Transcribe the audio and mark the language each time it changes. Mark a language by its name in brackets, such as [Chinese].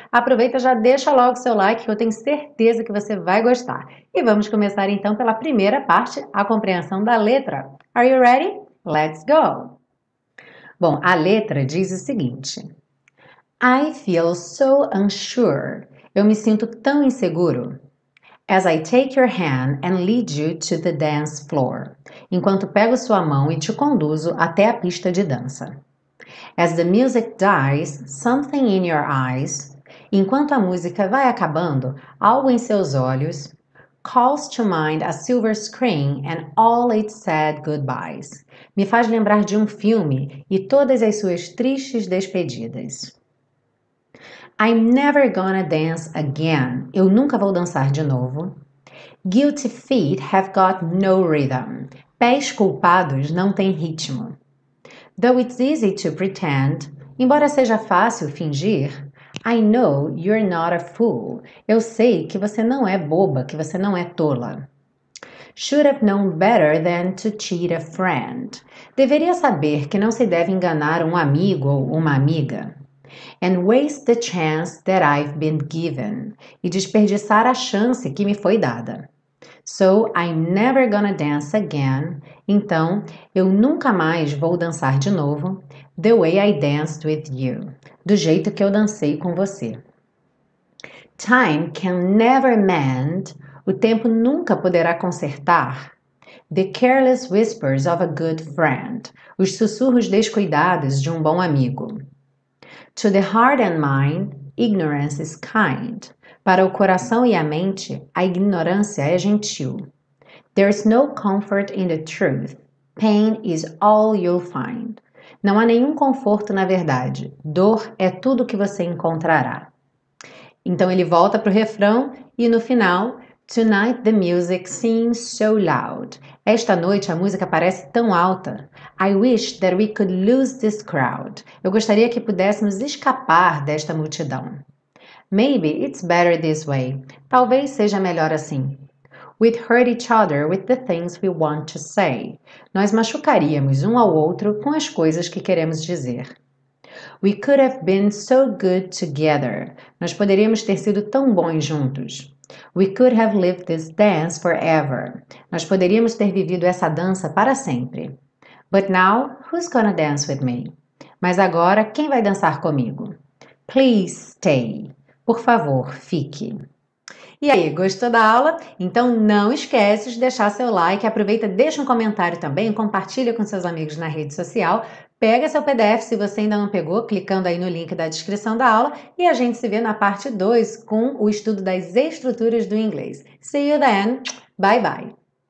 [Portuguese] Aproveita, já deixa logo seu like, que eu tenho certeza que você vai gostar. E vamos começar então pela primeira parte, a compreensão da letra. [English] Are you ready? Let's go! [Portuguese] Bom, a letra diz o seguinte. [English] I feel so unsure. [Portuguese] Eu me sinto tão inseguro. [English] As I take your hand and lead you to the dance floor. [Portuguese] Enquanto pego sua mão e te conduzo até a pista de dança. [English] As the music dies, something in your eyes. [Portuguese] Enquanto a música vai acabando, algo em seus olhos. [English] Calls to mind a silver screen and all its sad goodbyes. [Portuguese] Me faz lembrar de um filme e todas as suas tristes despedidas. [English] I'm never gonna dance again. [Portuguese] Eu nunca vou dançar de novo. [English] Guilty feet have got no rhythm. [Portuguese] Pés culpados não têm ritmo. [English] Though it's easy to pretend, [Portuguese] embora seja fácil fingir, [English] I know you're not a fool. [Portuguese] Eu sei que você não é boba, que você não é tola. [English] Should have known better than to cheat a friend. [Portuguese] Deveria saber que não se deve enganar um amigo ou uma amiga. [English] And waste the chance that I've been given. [Portuguese] E desperdiçar a chance que me foi dada. [English] So I'm never gonna dance again. [Portuguese] Então, eu nunca mais vou dançar de novo. [English] The way I danced with you. [Portuguese] Do jeito que eu dancei com você. [English] Time can never mend. [Portuguese] O tempo nunca poderá consertar. [English] The careless whispers of a good friend. [Portuguese] Os sussurros descuidados de um bom amigo. [English] To the heart and mind, ignorance is kind. [Portuguese] Para o coração e a mente, a ignorância é gentil. [English] There's no comfort in the truth. Pain is all you'll find. [Portuguese] Não há nenhum conforto na verdade. Dor é tudo que você encontrará. Então ele volta para o refrão e no final, [English] Tonight the music seems so loud. [Portuguese] Esta noite a música parece tão alta. [English] I wish that we could lose this crowd. [Portuguese] Eu gostaria que pudéssemos escapar desta multidão. [English] Maybe it's better this way. [Portuguese] Talvez seja melhor assim. [English] We'd hurt each other with the things we want to say. [Portuguese] Nós machucaríamos um ao outro com as coisas que queremos dizer. [English] We could have been so good together. [Portuguese] Nós poderíamos ter sido tão bons juntos. [English] We could have lived this dance forever. [Portuguese] Nós poderíamos ter vivido essa dança para sempre. [English] But now, who's gonna dance with me? [Portuguese] Mas agora, quem vai dançar comigo? [English] Please stay. [Portuguese] Por favor, fique. E aí, gostou da aula? Então não esquece de deixar seu like, aproveita, deixa um comentário também, compartilha com seus amigos na rede social, pega seu PDF se você ainda não pegou, clicando aí no link da descrição da aula, e a gente se vê na parte 2 com o estudo das estruturas do inglês. [English] See you then. Bye bye.